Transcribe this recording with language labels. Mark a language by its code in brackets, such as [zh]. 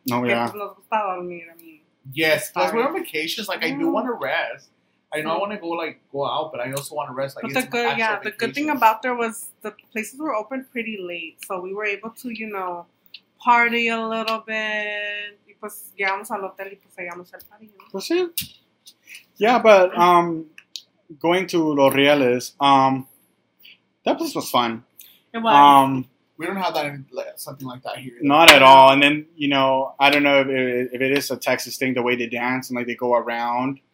[en] Because we're on vacations. Like, I do want to rest. I know I want to go like go out, but I also want to rest. Like, but the good, yeah, vacations. The good thing about there was the places were open pretty late, so we were able to, you know, party a little bit. [es] Pues llegamos al hotel y pues llegamos al party. Pues sí. [en] Yeah, but going to Los Rieles, that place was fun. We don't have that in, like, something like that here. Not at all. And then, you know, I don't know if it is a Texas thing, the way they dance and like they go around.